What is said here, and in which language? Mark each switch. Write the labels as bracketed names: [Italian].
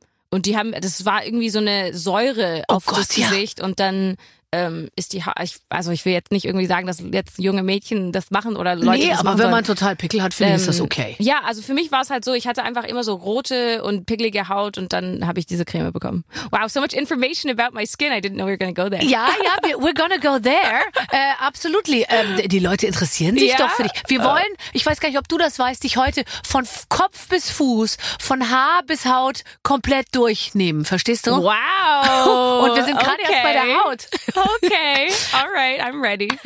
[German] Und die haben, das war irgendwie so eine Säure auf das Gesicht. Ja. Und dann ist die ich will jetzt nicht irgendwie sagen, dass jetzt junge Mädchen das machen oder Leute das machen. Nee, aber wenn man total Pickel hat, finde ich, ist das okay. Ja, also für mich war es halt so, ich hatte einfach immer so rote und pickelige Haut und dann habe ich diese Creme bekommen. [English] Wow, so much information about my skin, I didn't know we were gonna go there. Ja, we're gonna go there. Absolutely. [German] Die Leute interessieren sich doch für dich. Wir wollen, ich weiß gar nicht, ob du das weißt, dich heute von Kopf bis Fuß, von Haar bis Haut komplett durchnehmen. Verstehst du? Wow. Und wir sind gerade erst bei der Haut. [English] Okay, all right, I'm ready.